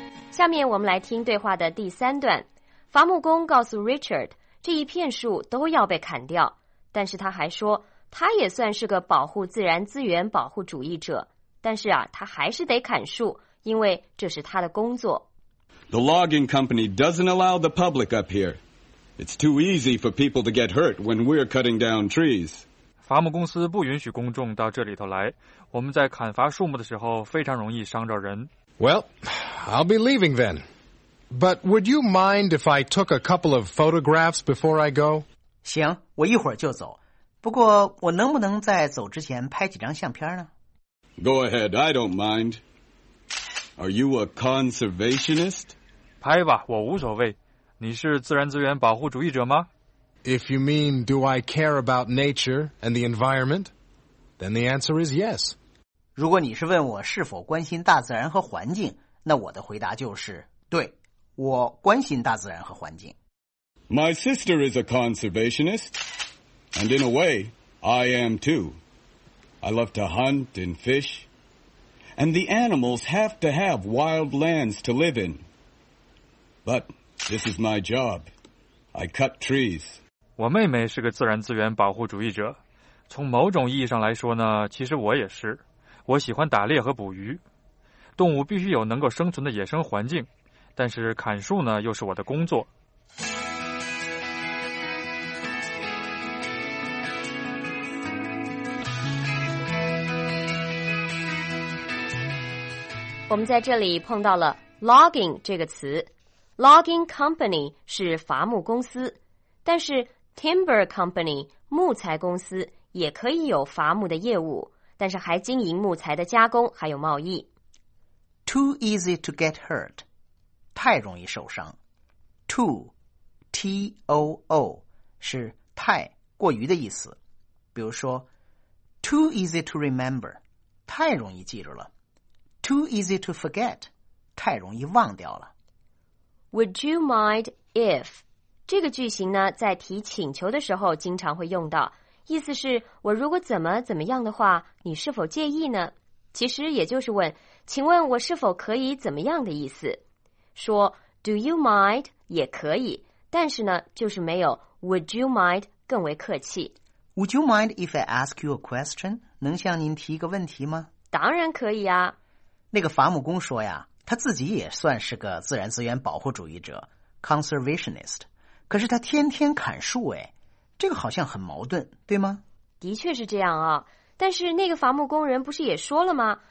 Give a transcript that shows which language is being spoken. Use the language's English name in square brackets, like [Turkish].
[Chinese] 下面我们来听对话的第三段。伐木工告诉 Richard， 这一片树都要被砍掉，但是他还说他也算是个保护自然资源保护主义者，但是啊他还是得砍树，因为这是他的工作。 [English] The logging company doesn't allow the public up here. It's too easy for people to get hurt when we're cutting down trees. [Chinese] 伐木公司不允许公众到这里头来，我们在砍伐树木的时候非常容易伤着人。 [English] Well, I'll be leaving then. But would you mind if I took a couple of photographs before I go? [Chinese] 行，我一会儿就走。不过我能不能在走之前拍几张相片呢？ [English] Go ahead, I don't mind. Are you a conservationist? [Chinese] 拍吧，我无所谓。你是自然资源保护主义者吗？ [English] If you mean do I care about nature and the environment, then the answer is yes. [Chinese] 如果你是问我是否关心大自然和环境，那我的回答就是对，我关心大自然和环境。 [English] My sister is a conservationist, and in a way, I am too. I love to hunt and fish, and the animals have to have wild lands to live in. But this is my job. I cut trees. [Chinese] 我妹妹是个自然资源保护主义者，从某种意义上来说呢，其实我也是。我喜欢打猎和捕鱼，动物必须有能够生存的野生环境，但是砍树呢，又是我的工作。我们在这里碰到了 logging 这个词。Logging company 是伐木公司，但是 timber company 木材公司也可以有伐木的业务，但是还经营木材的加工还有贸易。 [English] Too easy to get hurt， [Chinese] 太容易受伤。 Too， T-O-O， 是太过于的意思。比如说 ， [English] Too easy to remember， [Chinese] 太容易记住了。 [English] Too easy to forget， [Chinese] 太容易忘掉了。 [English] Would you mind if [Chinese] 这个句型呢，在提请求的时候经常会用到，意思是我如果怎么怎么样的话，你是否介意呢？其实也就是问，请问我是否可以怎么样的意思。说 [English] Do you mind [Chinese] 也可以，但是呢，就是没有 [English] Would you mind [Chinese] 更为客气。 [English] Would you mind if I ask you a question? [Chinese] 能向您提一个问题吗？当然可以啊。那个伐木工说呀，他自己也算是个自然资源保护主义者 conservationist， 可是他天天砍树，哎，这个好像很矛盾，对吗？的确是这样啊，但是那个伐木工人不是也说了吗？